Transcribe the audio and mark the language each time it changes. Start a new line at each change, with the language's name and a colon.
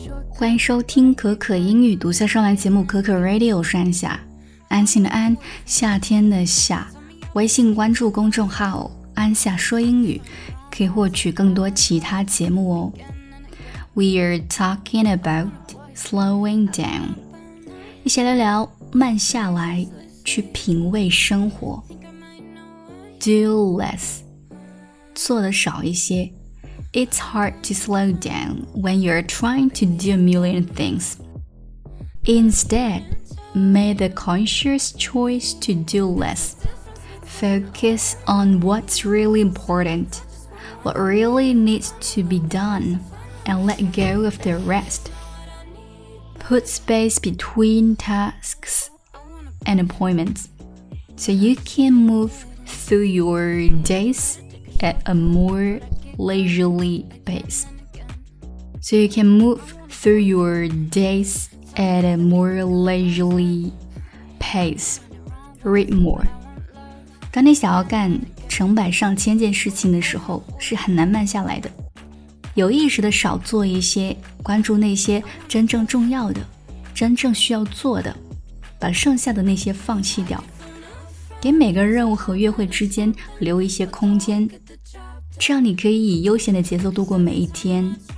Chinese: 欢迎收听可可英语独家上完节目可可 Radio 上下安心的安夏天的夏，微信关注公众号安夏说英语，可以获取更多其他节目哦。
English: We are talking about slowing down.
Chinese: 一起聊聊慢下来去品味生活。
English: Do less.
Chinese: 做得少一些。
English: It's hard to slow down when you're trying to do a million things. Instead, make the conscious choice to do less. Focus on what's really important, what really needs to be done, and let go of the rest. Put space between tasks and appointments so you can move through your days at a more leisurely pace. So you can move through your days at a more leisurely pace. Read more.
Chinese: 当你想要干成百上千件事情的时候，是很难慢下来的。有意识地少做一些，关注那些真正重要的，真正需要做的，把剩下的那些放弃掉。给每个任务和约会之间留一些空间，这样你可以以悠闲的节奏度过每一天。